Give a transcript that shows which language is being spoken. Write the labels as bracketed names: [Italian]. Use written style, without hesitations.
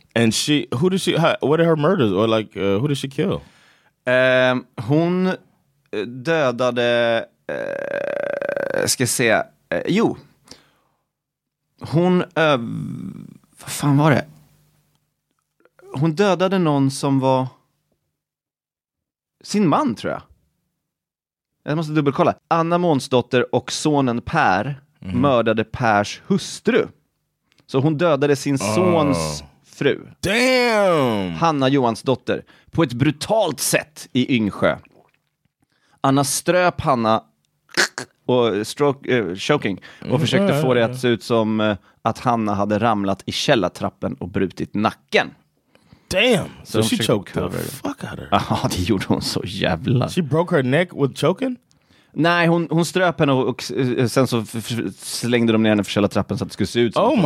[English] And she, who did she, what are her murders? Or like, who did she kill? [Swedish] Hon dödade, ska jag säga, jo. Hon, vad fan var det? Hon dödade någon som var sin man, tror jag. Jag måste dubbelkolla. Anna Månsdotter och sonen Per mördade Pers hustru. Så hon dödade sin sons fru. [English] Damn! [Swedish] Hanna Johans dotter. På ett brutalt sätt i Yngsjö. Anna ströp Hanna och choking och försökte få det att se ut som att Hanna hade ramlat i källartrappen och brutit nacken. [English] Damn, so she choked the fuck out of her. [Swedish] Ja, det gjorde hon så jävla. [English] She broke her neck with choking? [Swedish] Nej, hon ströp henne och sen så slängde de ner henne för källa trappen så att det skulle se ut som.